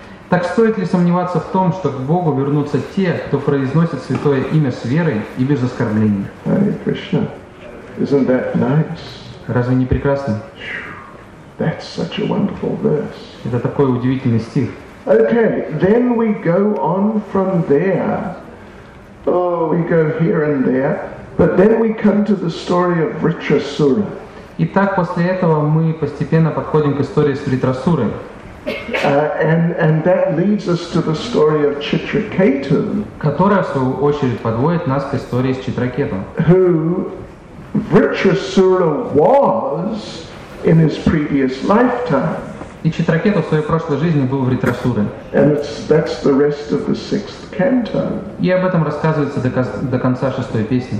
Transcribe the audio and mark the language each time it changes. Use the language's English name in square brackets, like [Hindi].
[Russian] Так стоит ли сомневаться в том, что к Богу вернутся те, кто произносит святое имя с верой и без оскорблений? [English] Hare Krishna, isn't that nice? [Russian] Разве не прекрасно? [English] That's such a wonderful verse. [Russian] Это такой удивительный стих. [English] Okay, then we go on from there. Oh, we go here and there, but then we come to the story of Vritrasura. [Russian] Итак, после этого мы постепенно подходим к истории с Вритрасурой. [English] And that leads us to the story of Chitraketu, [Russian] которая в свою очередь подводит нас к истории с Читракетом. [English] Who Vritrasura was in his previous lifetime. [Russian] И Читракета в своей прошлой жизни был в Ритрасуре. [English] And that's the rest of the sixth canto. [Russian] И об этом рассказывается до конца шестой песни.